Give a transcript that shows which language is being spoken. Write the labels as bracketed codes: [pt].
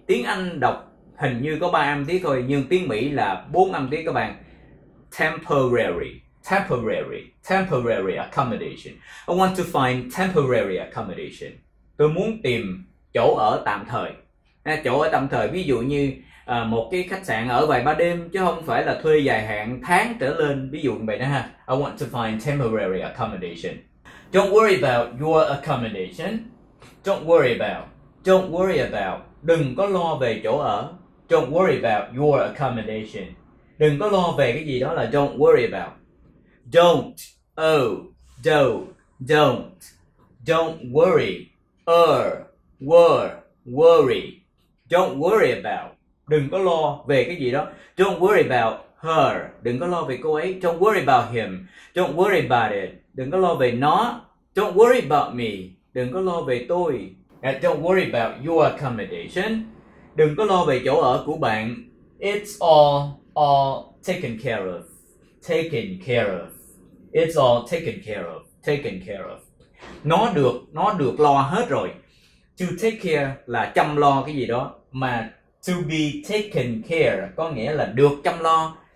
[vi] Tiếng Anh đọc hình như có 3 âm tiết thôi, nhưng tiếng Mỹ là 4 âm tiết các bạn. [en] Temporary. Temporary. Temporary accommodation. I want to find temporary accommodation. [vi] Tôi muốn tìm chỗ ở tạm thời. Chỗ ở tạm thời, ví dụ như một cái khách sạn ở vài ba đêm, chứ không phải là thuê dài hạn tháng trở lên. Ví dụ như vậy đó ha. [en] I want to find temporary accommodation. Don't worry about your accommodation. Don't worry about. Don't worry about. [vi] Đừng có lo về chỗ ở. [en] Don't worry about your accommodation. [vi] Đừng có lo về cái gì đó là [en] don't worry about. Don't. Oh. Don't. Don't. Don't worry. Were. Worry. Don't worry about. [vi] Đừng có lo về cái gì đó. [en] Don't worry about her. [vi] Đừng có lo về cô ấy. [en] Don't worry about him. Don't worry about it. [vi] Đừng có lo về nó. [en] Don't worry about me. [vi] Đừng có lo về tôi. [en] And don't worry about your accommodation. [vi] Đừng có lo về chỗ ở của bạn. [en] It's all taken care of. Taken care of. It's all taken care of. Taken care of. [vi] Nó được lo hết rồi. [en] To take care [vi] là chăm lo cái gì đó. Mà [en] to be taken care [vi] có nghĩa là được chăm lo.